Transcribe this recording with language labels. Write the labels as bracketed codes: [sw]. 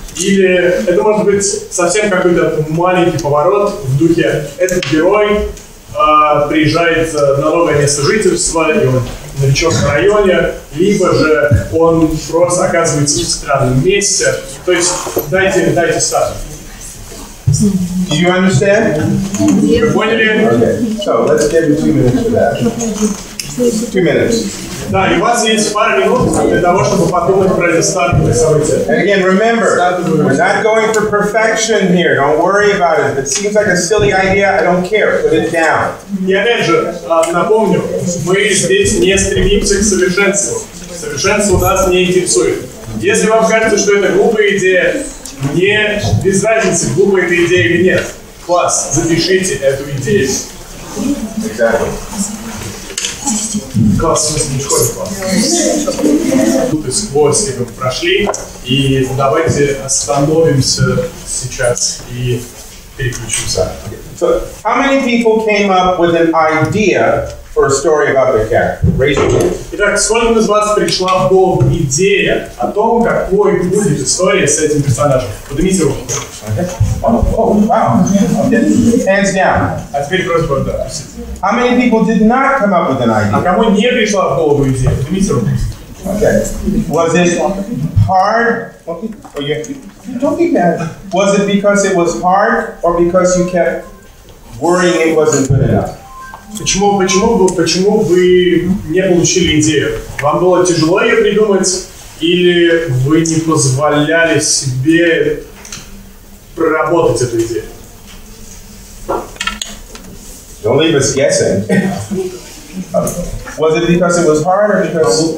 [ru] Или это может быть совсем какой-то маленький поворот в духе «этот герой», приезжает на новое место жительства, и он новичок в районе, либо же он просто оказывается в странном месте. То есть дайте статус. [en] Do you understand? Yes. [ru] Поняли? [en] Okay. So let's give you 2 minutes for that. 2 minutes. [ru] Да, и у вас есть пара минут для того, чтобы подумать про это стартовое событие. [en] And again, remember, we're not going for perfection here. Don't worry about it. If it seems like a silly idea, I don't care. Put it down. [ru] И опять же, напомню, мы здесь не стремимся к совершенству. Совершенство нас не интересует. Если вам кажется, что это глупая идея, мне без разницы, глупая эта идея или нет. Класс, запишите эту идею. [en] Exactly. [ru] Класс, в смысле, не школе класс. Тут и сквозь его прошли. И давайте остановимся сейчас и переключимся. [en] So, how many people came up with an idea for a story about their character? Raise your hand. [ru] Итак, сколько из вас пришла в голову идея о том, какой будет история с этим персонажем? Поднимите руку. [en] Okay. Oh, wow. Hands down. [ru] А теперь просьба, да. [en] How many people did not come up with an idea? [ru] А кому не пришла в голову идея? Поднимите руку. [en] Okay. Was it hard? Okay. Oh, yeah. Don't be mad. Was it because it was hard or because you kept worrying it wasn't good enough? [ru] Почему вы не получили идею? Вам было тяжело ее придумать, или вы не позволяли себе проработать эту идею? [en] Don't leave us guessing. Was it because it was hard or because...